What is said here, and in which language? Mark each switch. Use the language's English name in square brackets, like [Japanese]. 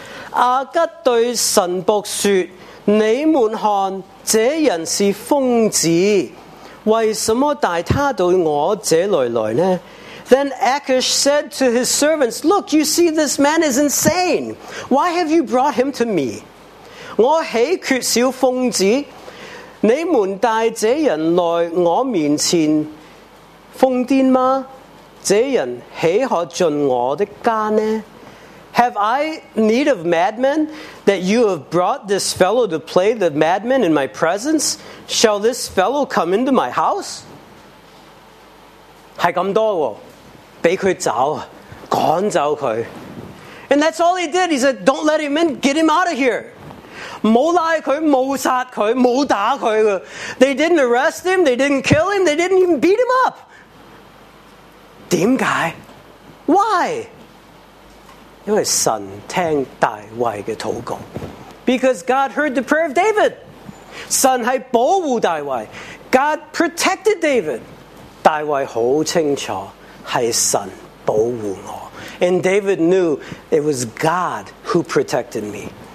[Chinese] 阿吉对神仆说，你们看，这人是疯子。为什么带他到我这里来呢？ [English] Then Achish said to his servants, Look, you see, this man is insane. Why have you brought him to me? [Chinese] 我岂缺少疯子？你们带这人来我面前疯癫吗？这人岂可进我的家呢？ [English] Have I need of madmen that you have brought this fellow to play the madman in my presence? Shall this fellow come into my house? [Chinese] 是这么多的，被他走，赶走他。 [English] And that's all he did. He said, don't let him in, get him out of here. [Chinese] 没拉他，没杀他，没打他。 [English] They didn't arrest him, they didn't kill him, they didn't even beat him up. [Chinese] 为什么？ [English] Why? [Chinese] 因为神听大卫的祷告。 [English] Because God heard the prayer of David. [Chinese] 神是保护大卫， [English] God protected David. [Chinese] 大卫很清楚是神保护我， [English] and David knew it was God who protected me.